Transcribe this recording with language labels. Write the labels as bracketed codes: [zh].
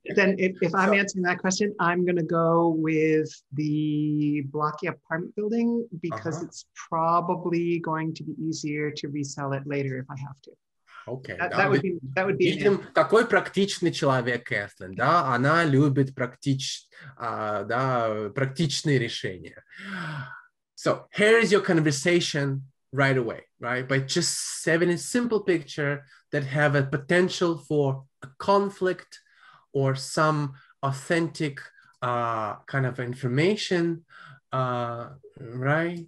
[en] Then if I'm answering that question, I'm going to go with the blocky apartment building because uh-huh. It's probably going to be easier to resell it later if I have to. Okay. That would be [ru] видим, какой практичный человек Кэтлин, да? Она любит практичные решения. [en] So, here is your conversation right away, right? By just having a simple picture that have a potential for a conflict or some authentic kind of information, right?